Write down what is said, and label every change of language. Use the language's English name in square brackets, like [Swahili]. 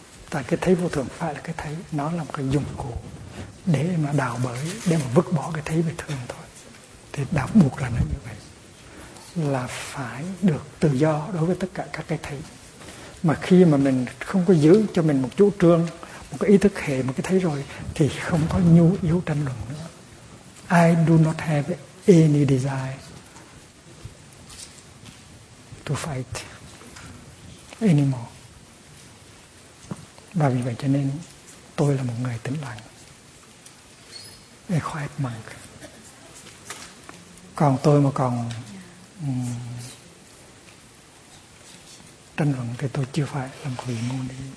[Vietnamese] Tại cái thấy vô thường phải là cái thấy, nó là một cái dụng cụ để mà đào bới, để mà vứt bỏ cái thấy về thường thôi. Thì đạo buộc là nó như vậy, là phải được tự do đối với tất cả các cái thấy. Mà khi mà mình không có giữ cho mình một chủ trương, một cái ý thức hệ, một cái thấy rồi, thì không có nhu yếu tranh luận nữa. [English] I do not have any desire to fight anymore. [Vietnamese] Và vì vậy cho nên tôi là một người tĩnh lặng, [English] a quiet monk. [Vietnamese] Còn tôi mà còn tranh luận thì tôi chưa phải là một vị Moni.